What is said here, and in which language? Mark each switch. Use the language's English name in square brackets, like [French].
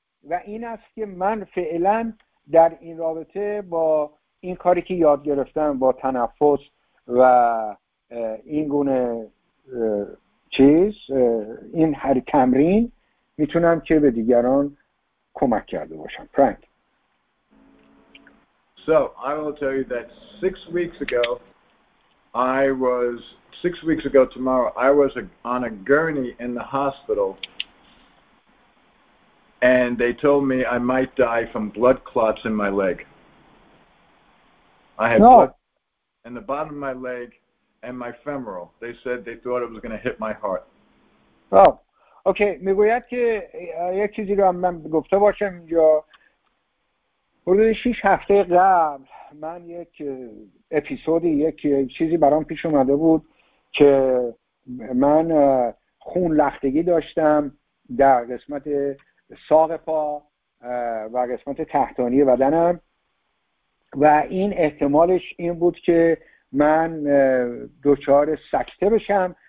[Persian] و این است که من فعلا در این رابطه با این کاری که یاد گرفتم با تنفس و این گونه چیز، این هر تمرین، میتونم که به دیگران کمک کرده باشم. فرانک. [English] So, I will tell you that six weeks ago tomorrow, I was on a gurney in the hospital and they told me I might die from blood clots in my leg. I had blood in the bottom of my leg and my femoral. They said they thought it was going to hit my heart. Oh, okay. [Persian] میگوید که یک چیزی رو من گفته باشم اینجا. حدود 6 هفته قبل من یک اپیزودی، یک چیزی برام پیش اومده بود که من خون لختگی داشتم در قسمت ساق پا و قسمت تحتانی بدنم و این احتمالش این بود که من دچار سکته بشم.